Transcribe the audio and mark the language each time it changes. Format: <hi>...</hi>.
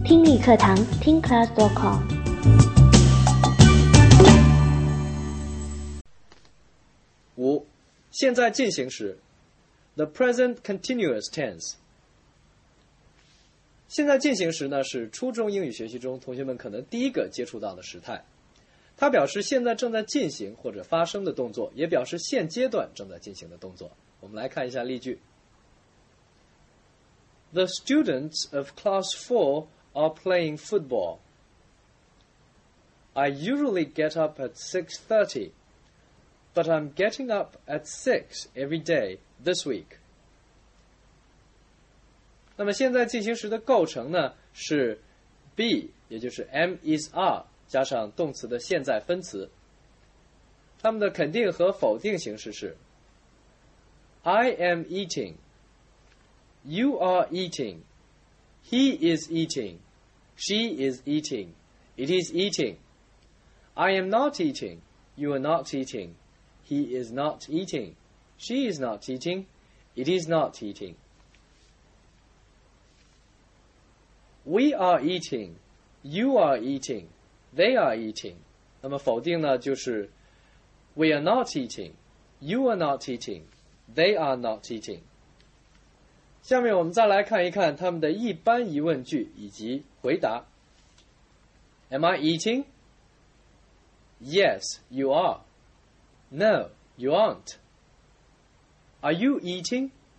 <zh>理课堂听 class.com。五，现在进行时 ，the present continuous tense。现在进行时呢，是初中英语学习中同学们可能第一个接触到的时态。它表示现在正在进行或者发生的动作，也表示现阶段正在进行的动作。我们来看一下例句。</zh> <en>The students of class 4 are playing football. I usually get up at 6:30, but I'm getting up at 6 every day this week.</en> <zh>那么现在进行时的构成呢，是 be, 也就是 am is are,加上动词的现在分词，它们的肯定和否定形式是</zh> <en>I am eating, you are eating, he is eating, she is eating, it is eating, I am not eating, you are not eating, he is not eating, she is not eating, it is not eating. We are eating, you are eating,They are eating.</en> <zh>那么否定呢，就是</zh> <en>We are not eating. You are not eating. They are not eating.</en> <zh>下面我们再来看一看他们的一般疑问句以及回答。</zh> <en>Am I eating? Yes, you are. No, you aren't. Are you eating?</en>